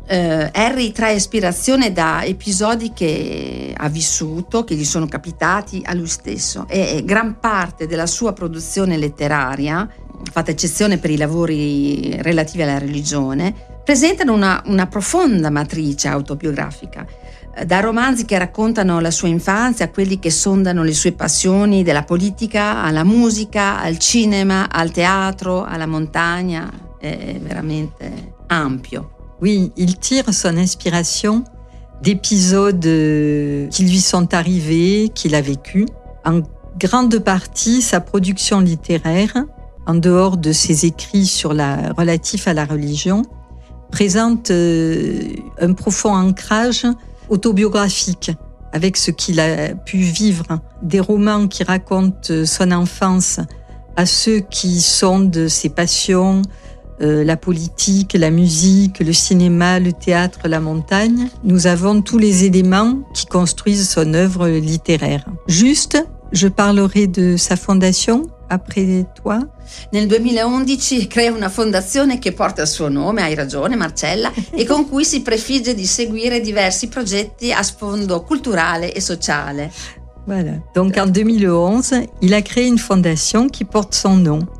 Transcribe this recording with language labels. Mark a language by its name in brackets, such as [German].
[Italian] Henri trae ispirazione da episodi che ha vissuto, che gli sono capitati a lui stesso, e gran parte della sua produzione letteraria, fatta eccezione per i lavori relativi alla religione, presentano una profonda matrice autobiografica, da romanzi che raccontano la sua infanzia a quelli che sondano le sue passioni, della politica alla musica, al cinema, al teatro, alla montagna. È veramente ampio. [French] Oui, il tire son inspiration d'épisodes qui lui sont arrivés, qu'il a vécu. En grande partie, sa production littéraire, en dehors de ses écrits relatifs à la religion, présente un profond ancrage autobiographique avec ce qu'il a pu vivre, des romans qui racontent son enfance à ceux qui sondent ses passions, la politique, la musique, le cinéma, le théâtre, la montagne. Nous avons tous les éléments qui construisent son œuvre littéraire. Juste, je parlerai de sa fondation après toi. [Italian] Nel 2011 crea una fondazione che porta il suo nome, hai ragione Marcella, e con cui si prefigge di seguire diversi progetti a sfondo culturale e sociale. [French] Voilà. Donc en 2011, il a créé une fondation qui porte son nom.